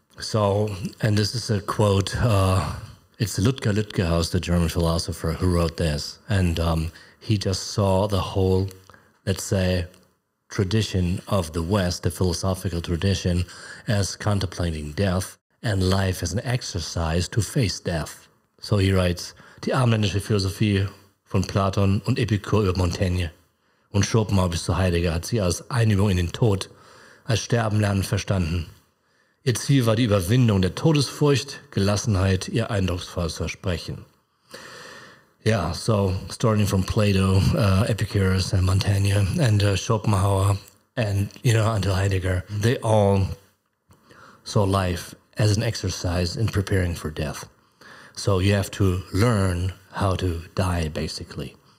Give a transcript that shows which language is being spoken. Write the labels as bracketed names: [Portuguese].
[English] So, and this is a quote, it's Ludger Lütkehaus, the German philosopher, who wrote this. And he just saw the whole, let's say, tradition of the West, the philosophical tradition, as contemplating death and life as an exercise to face death. So he writes, [German] die abendländische Philosophie von Platon und Epikur über Montaigne und Schopenhauer bis zu Heidegger hat sie als Einübung in den Tod, als Sterbenlernen verstanden. Ihr Ziel war die Überwindung der Todesfurcht, Gelassenheit, ihr eindrucksvolles Versprechen. [English] Yeah, so starting from Plato, Epicurus and Montaigne and Schopenhauer and, you know, until Heidegger, they all saw life as an exercise in preparing for death. So you have to learn how to die, basically.